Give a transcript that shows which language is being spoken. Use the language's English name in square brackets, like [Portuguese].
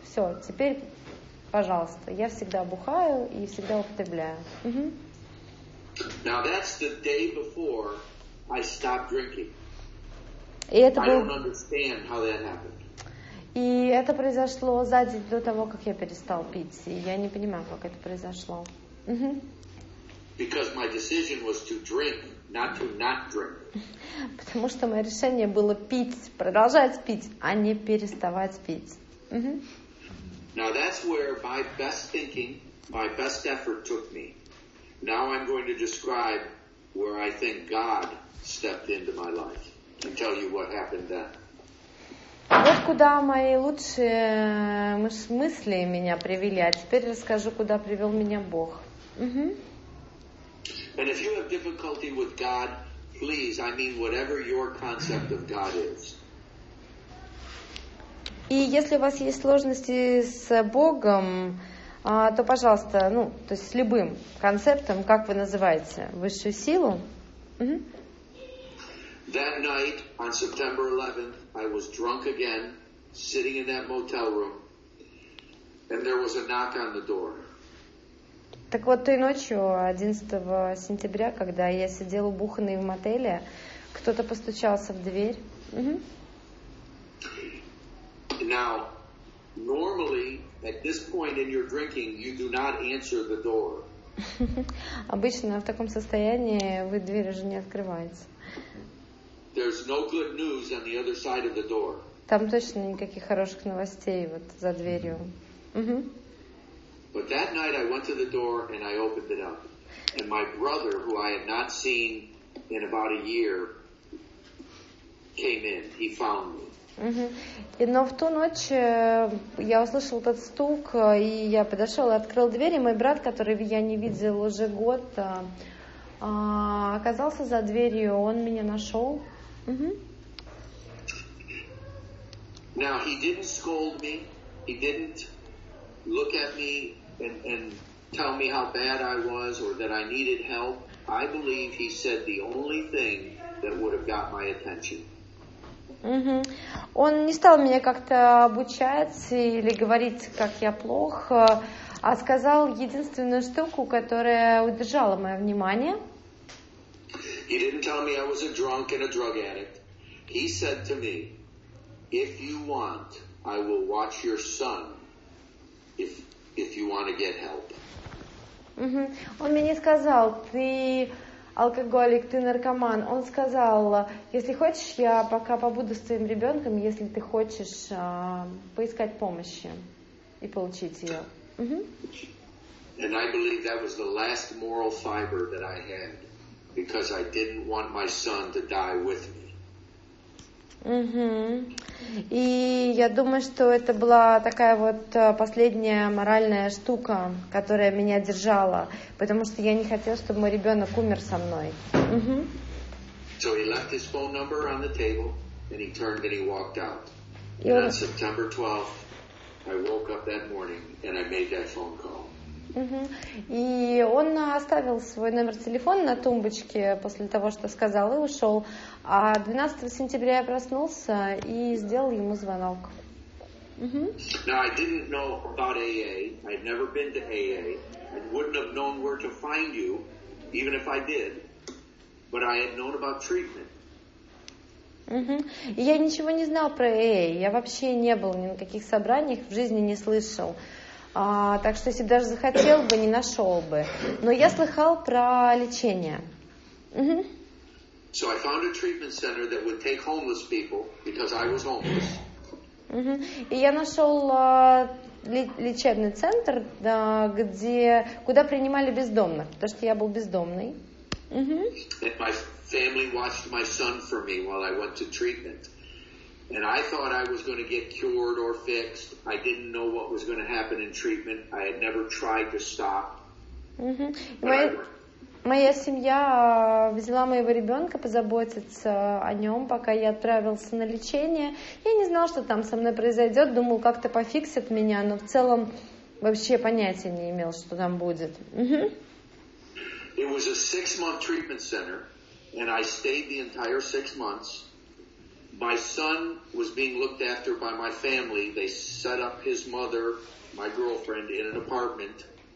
[Russian] Все, теперь, пожалуйста, я всегда бухаю и всегда употребляю. [English] Now that's the day before I stopped drinking. [Russian] И это [English] I don't understand how that happened. [Russian] И это произошло за день до того, как я перестал пить. И я не понимаю, как это произошло. [English] Because my decision was to drink, not to not drink. [Russian] Потому что мое решение было пить, продолжать пить, а не переставать пить. [English] Now that's where my best thinking, my best effort took me. Now I'm going to describe where I think God stepped into my life and tell you what happened then. [Russian] Вот куда мои лучшие мысли меня привели, а теперь расскажу, куда привел меня Бог. [English] And if you have difficulty with God, please, I mean whatever your concept of God is. [Russian] И если у вас есть сложности с Богом, то, пожалуйста, ну, то есть с любым концептом, как вы называете, высшую силу. [English] That night, on September 11th, I was drunk again, sitting in that motel room, and there was a knock on the door. [Russian] Так вот, той ночью, 11 сентября, когда я сидел убуханный в мотеле, кто-то постучался в дверь. [English] Now, normally, at this point in your drinking, you do not answer the door. [Russian] Обычно в таком состоянии вы дверь уже не открываете. [English] There's no good news on the other side of the door. [Russian] Там точно никаких хороших новостей вот за дверью. [English] But that night I went to the door and I opened it up. And my brother, who I had not seen in about a year, came in. He found me. [Russian] Но в ту ночь я услышал этот стук, и я подошел и открыл дверь, и мой брат, которого я не видел уже год, оказался за дверью, он меня нашел. [English] Now, he didn't scold me, he didn't look at me and tell me how bad I was or that I needed help. I believe he said the only thing that would have got my attention. [Russian] Он не стал меня как-то обучать или говорить, как я плох, а сказал единственную штуку, которая удержала мое внимание. [English] He didn't tell me I was a drunk and a drug addict. He said to me, if you want, I will watch your son if you want to get help. [Russian] Он мне не сказал, ты алкоголик, ты наркоман. Он сказал, если хочешь, я пока побуду с твоим ребенком, если ты хочешь поискать помощи и получить ее. [English] And I believe that was the last moral fiber that I had. Because I didn't want my son to die with me. [Russian] И я думаю, что это была такая вот последняя моральная штука, которая меня держала, потому что я не хотел, чтобы мой ребенок умер со мной. [English] So he left his phone number on the table, and he turned and he walked out. And on September 12th, I woke up that morning, and I made that phone call. [Russian] И он оставил свой номер телефона на тумбочке после того, что сказал, и ушел. А 12 сентября я проснулся и сделал ему звонок. [English] Now, I didn't know about AA. I'd never been to AA. I wouldn't have known where to find you, even if I did. But I had known about treatment. [Russian] И я ничего не знал про AA. Я вообще не был ни на каких собраниях, в жизни не слышал. Так что, если даже захотел бы, не нашел бы. Но я слыхал про лечение. [English] So I found a treatment center that would take homeless people because I was homeless. [Russian] И я нашел лечебный центр, куда принимали бездомных, потому что я был бездомный. [English] And my family watched my son for me while I went to treatment. And I thought I was going to get cured or fixed. I didn't know what was going to happen in treatment. I had never tried to stop. [Russian] Моя семья взяла моего ребенка позаботиться о нем, пока я отправился на лечение. Я не знал, что там со мной произойдет, думал, как-то пофиксит меня, но в целом вообще понятия не имел, что там будет. [English] It was a six-month treatment center, and I stayed the entire 6 months. My son was being looked after by my family. They set up his mother, my girlfriend, in an apartment.